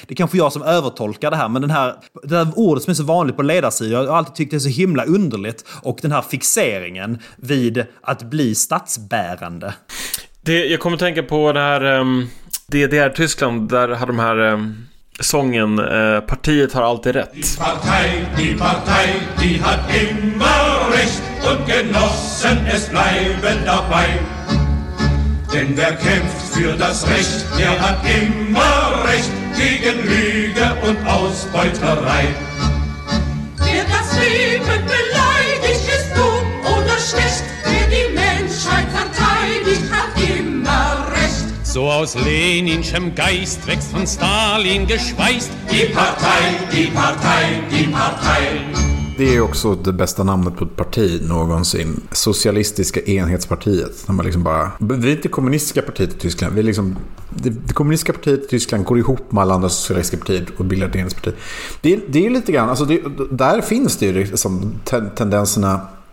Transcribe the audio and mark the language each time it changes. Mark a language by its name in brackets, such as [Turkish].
[Swedish] Det är kanske jag som övertolkar det här, men det här ordet som är så vanligt på ledarsidan, jag har alltid tyckt det är så himla underligt, och den här fixeringen vid att bli statsbärande. Det, jag kommer att tänka på det här DDR-Tyskland, där har de här sången Partiet har alltid rätt. [German] Die Partei, die hat immer recht und Genossen, es bleiben dabei. Denn wer kämpft für das Recht, der hat immer recht gegen Lüge und Ausbeuterei. Wer das Leben beleidigt, ist dumm oder schlecht. Wer die Menschheit verteidigt, hat immer recht. So aus Leninschem Geist wächst von Stalin geschweißt. Die Partei. [Swedish] Det är också det bästa namnet på ett parti någonsin. Socialistiska enhetspartiet. När man liksom bara, vi är inte kommunistiska partiet i Tyskland. Vi är liksom, det kommunistiska partiet i Tyskland går ihop med alla andra socialistiska partier och bildar ett enhetsparti. Det är lite grann, alltså det, där finns det ju liksom tendenserna.